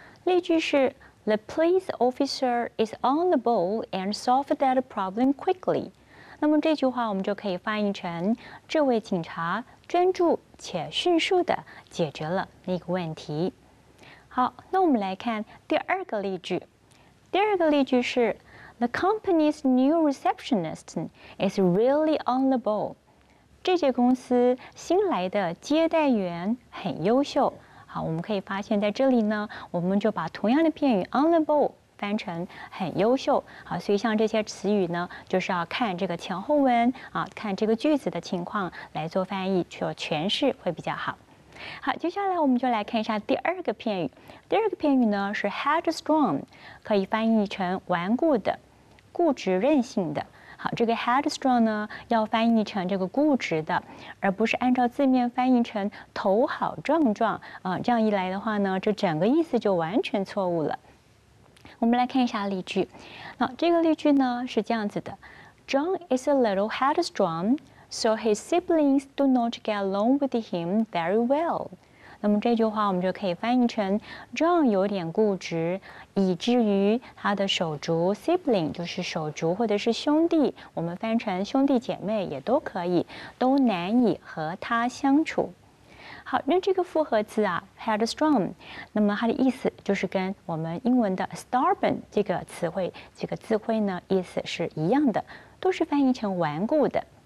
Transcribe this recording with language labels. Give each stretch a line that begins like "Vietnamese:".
Chinese: 例句是
English: The police officer is on the ball and solved that problem quickly.
Chinese: 那么这句话我们就可以翻译成，这位警察专注且迅速地解决了那个问题。好，那我们来看第二个例句。第二个例句是
English: The company's new receptionist is really on the ball.
Chinese: 这家公司新来的接待员很优秀。好，我们可以发现在这里呢，我们就把同样的片语 on the ball 翻成很优秀。好，所以像这些词语呢，就是要看这个前后文啊，看这个句子的情况来做翻译，去诠释会比较好。好，接下来我们就来看一下第二个片语。第二个片语呢是 headstrong， 可以翻译成顽固的、固执任性的。好，这个 headstrong 呢要翻译成这个固执的，而不是按照字面翻译成头好壮壮啊，这样一来的话呢，这整个意思就完全错误了。我们来看一下例句。那这个例句呢是这样子的，
English: John is a little headstrong， so his siblings do not get along with him very well。
Chinese: 那么这句话我们就可以翻译成 John 有点固执，以至于他的手足 sibling 就是手足或者是兄弟，我们翻成兄弟姐妹也都可以，都难以和他相处。好，那这个复合字啊 headstrong， 那么它的意思就是跟我们英文的 stubborn 这个词汇这个字汇呢意思是一样的，都是翻译成顽固的。